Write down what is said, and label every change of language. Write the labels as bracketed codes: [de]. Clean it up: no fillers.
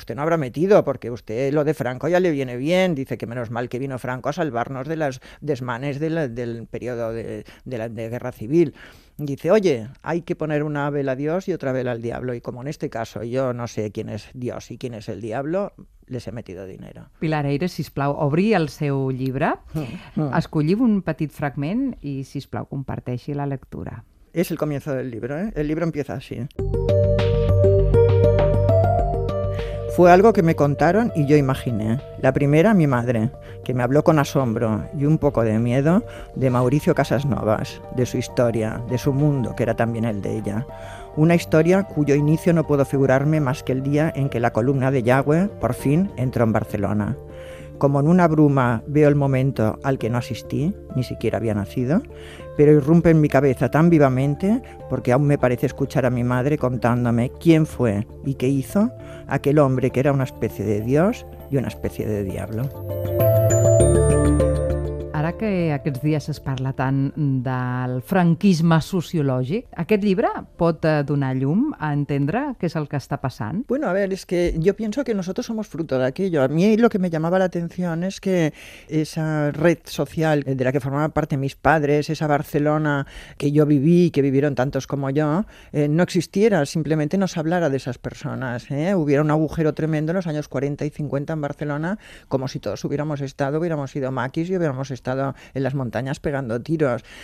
[es] Usted no habrá metido, porque usted lo de Franco ya le viene bien. Dice que menos mal que vino Franco a salvarnos de los desmanes del periodo de guerra civil. Dice, oye, hay que poner una vela a Dios y otra vela al diablo. Y como en este caso yo no sé quién es Dios y quién es el diablo, les he metido dinero. [ca] Pilar Eire, sisplau, obri el seu llibre, escolliu un petit fragment i, sisplau, comparteixi la lectura. [es] És el comienzo del libro, ¿eh? El libro empieza así. Fue algo que me contaron y yo imaginé. La primera, mi madre, que me habló con asombro y un poco de miedo de Mauricio Casasnovas, de su historia, de su mundo, que era también el de ella. Una historia cuyo inicio no puedo figurarme más que el día en que la columna de Yagüe, por fin, entró en Barcelona. Como en una bruma veo el momento al que no asistí, ni siquiera había nacido, pero irrumpe en mi cabeza tan vivamente porque aún me parece escuchar a mi madre contándome quién fue y qué hizo aquel hombre que era una especie de Dios y una especie de diablo. [ca] Ara que aquests dies es parla tant del franquisme sociològic, aquest llibre pot donar llum a entendre què és el que està passant? [es] Bueno, a ver, es que yo pienso que nosotros somos fruto de aquello. A mí lo que me llamaba la atención es que esa red social de la que formaban parte mis padres, esa Barcelona que yo viví y que vivieron tantos como yo, no existiera, simplemente no se hablara de esas personas, Hubiera un agujero tremendo en los años 40 y 50 en Barcelona, como si todos hubiéramos sido maquis y hubiéramos estado en las montañas pegando tiros.